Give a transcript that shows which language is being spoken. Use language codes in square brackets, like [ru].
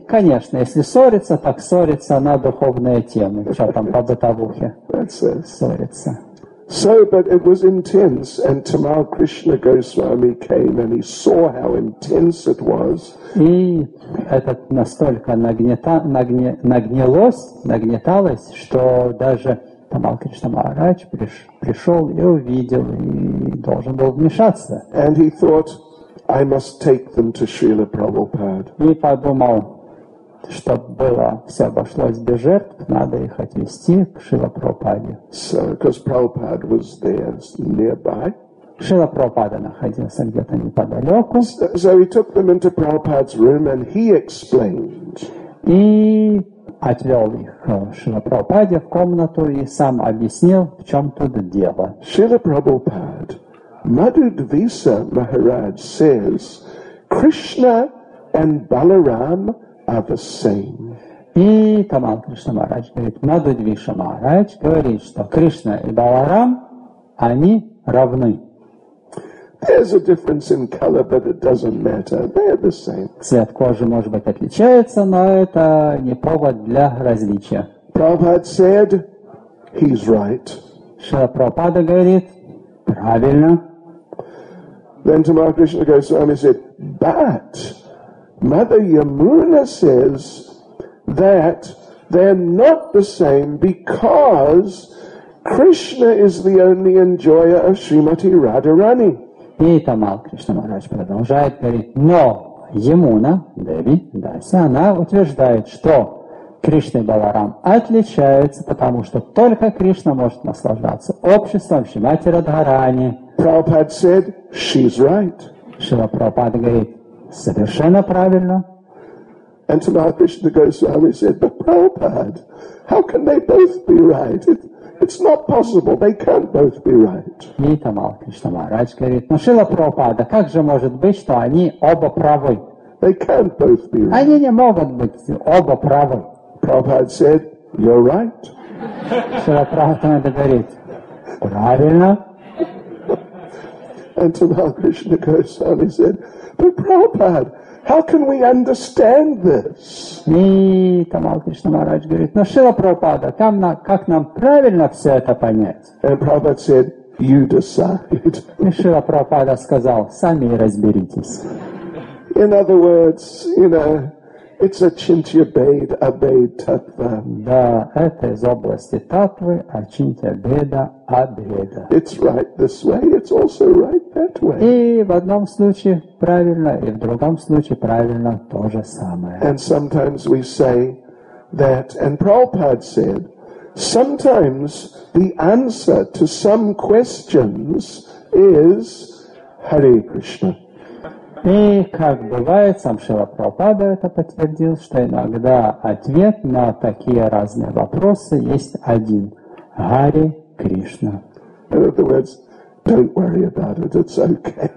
[ru] Конечно, если ссориться, так ссориться на духовные темы, что там по бытовухе. [en] That's it. [ru] Ссориться. [en] So, but it was intense, and Tamal Krishna Goswami came, and he saw how intense it was. [ru] И это настолько нагнеталось, что даже... Тамал Кришна Махарадж пришел и увидел, и должен был вмешаться. [en] And he thought, I must take them to Srila Prabhupada. [ru] И подумал, чтобы было, все обошлось без жертв, надо их отвезти к Шрила Прабхупаде. [en] So, because Prabhupada was there nearby. [ru] Шрила Прабхупада находился где-то неподалеку. [en] So he took them into Prabhupada's room, and he explained. [ru] И... отвел их Шрила Прабхупаде в комнату и сам объяснил, в чем тут дело. [en] Шрила Прабхупад, Madhu Dvisa Maharaj says, Krishna and Balaram are the same. [ru] И Тамал Кришна Махарадж говорит, Madhu Dvisa Maharaj говорит, что Кришна и Баларам, они равны. [en] There's a difference in color, but it doesn't matter. They're the same. [ru] Цвет кожи может быть отличается, но это не повод для различия. [en] Prabhupada said, he's right. [ru] Шрила Прабхупада говорит, правильно. [en] Then Tamal Krishna Goswami said, but Mother Yamuna says that they're not the same because Krishna is the only enjoyer of Srimati Radharani. [ru] И там Кришна Махарадж продолжает говорить, но Ямуна, Деви, Даси, она утверждает, что Кришна и Баларам отличаются, потому что только Кришна может наслаждаться обществом Шримати Радхарани. [en] Prabhupada said, she's right. [ru] Шрила Прабхупада говорит, совершенно правильно. [en] And Tamal Krishna Goswami said, but Prabhupada, how can they both be right? It's not possible. They can't both be right. [ru] И Тамал Кришна Махарадж говорит, но Шрила Прабхупада, как же может быть, что они оба правы? [en] They can't both be right. [ru] Они не могут быть оба правы. [en] Prabhupada said, you're right. [ru] Шрила Прабхупада говорит, правильно. [en] And Tamal Krishna Goswami said, but Prabhupada, how can we understand this? [ru] И Тамал Кришна Махарадж говорит, но Шрила Прабхупада, как нам правильно все это понять? [en] And Prabhupada said, you decide. [ru] И Шрила Прабхупада сказал, сами разберитесь. [en] In other words, you know, it's a Achintya Bheda, Abheda Tattva. [ru] Да, это из области Таттвы, Ачинтья Бхеда, Абхеда. [en] It's right this way, it's also right that way. [ru] И в одном случае правильно, и в другом случае правильно то же самое. [en] And sometimes we say that, and Prabhupada said, sometimes the answer to some questions is Hare Krishna. [ru] И, как бывает, сам Шрила Прабхупада это подтвердил, что иногда ответ на такие разные вопросы есть один – Гари Кришна. [en] In other words, don't worry about it, it's okay.